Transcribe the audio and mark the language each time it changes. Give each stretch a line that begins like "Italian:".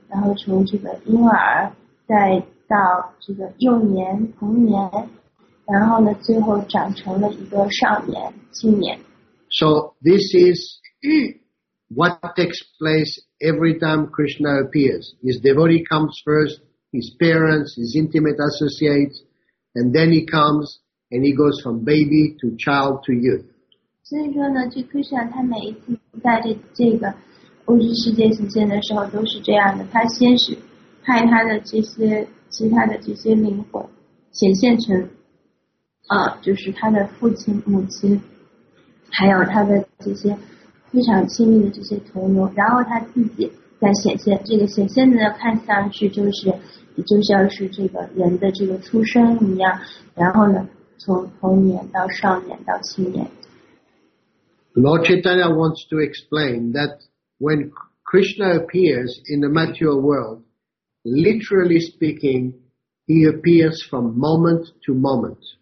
Chinese: 就是主祁天涅马哈帕布说，在他亲自显现之前，就是说主呢在亲自显现之前，他已经让他的这些奉献者们首先显现为他的母亲、父亲和亲密的朋友，之后他才显现，就好他也像一个普通常人一样，好像是从出生，然后从这个婴儿在。到这个幼年、童年，然后呢，最后长成了一个少年、青年。
English: So this is what takes place every time Krishna appears. His devotee comes first, his parents, his intimate associates, and then he comes and he goes from baby to child to youth.
Chinese: 所以说呢，就 Krishna 他每一次在这个物质世界显现的时候都是这样的。他先是派他的这些 其他的这些灵魂显现成，就是他的父亲、母亲，还有他的这些非常亲密的这些朋友，然后他自己在显现。这个显现的看上去就是，就像是这个人的这个出生一样，然后呢，从童年到少年到青年。Lord
English: Chaitanya wants to explain that when Krishna appears in the material world, literally speaking, he appears from moment to moment.